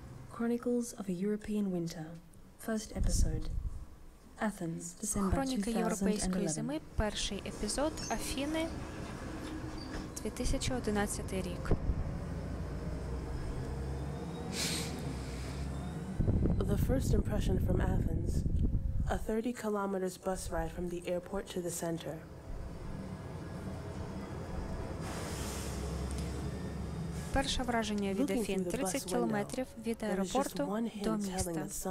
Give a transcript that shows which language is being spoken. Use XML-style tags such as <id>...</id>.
<en>Chronicles of a European Winter, first episode, Athens, December 2011.</en> <uk>Хроніки європейської зими, перший епізод, Афіни, 2011 рік.</uk> <en>The first impression from Athens, a 30 kilometers bus ride from the airport to the center.</en> <uk>Перше враження від Афін – 30 кілометрів від аеропорту до міста.</uk>